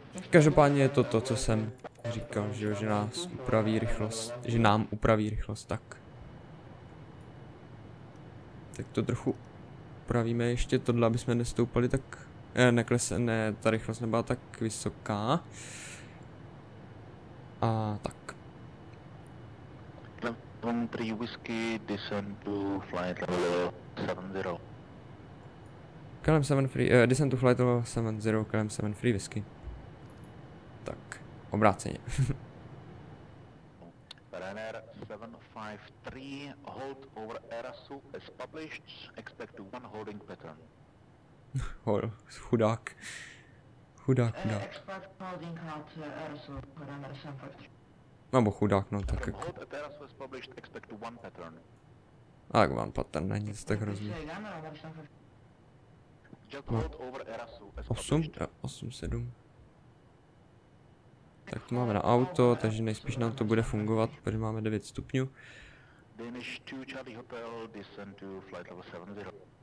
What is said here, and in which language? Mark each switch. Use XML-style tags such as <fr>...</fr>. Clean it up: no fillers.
<cs>Každopádně je to to, co jsem říkal, že nás upraví rychlost, že nám upraví rychlost, tak. Tak to trochu upravíme ještě tohle, aby jsme nestoupali tak, ta rychlost nebyla tak vysoká. A tak.</cs> <en>Clem 3 Whisky, descent to flight level 70. Clem 73, descent to flight level 70, Clem 73 Whisky.</en> <cs>Tak, obráceně.</cs> <en>Runner 753, hold over Erasu as published, expect one holding pattern.</en> <cs>Chudák. Chudák, chudák.</cs> <en>Expect holding hold Erasu, runner 753.</en> <cs>Nebo chudák, no tak jako.</cs> <en>Hold over Erasu as published, expect one pattern.</en> <cs>Tak,</cs> <en>one pattern,</en> <cs>není nic tak hrozný.</cs> <en>Just hold over Erasu as published.</en> <cs>8, 7. Tak to máme na auto, takže nejspíš nám to bude fungovat, protože máme 9 stupňů.</cs> <en>Danish 2 Charlie Hotel, descend to flight level 70.</en>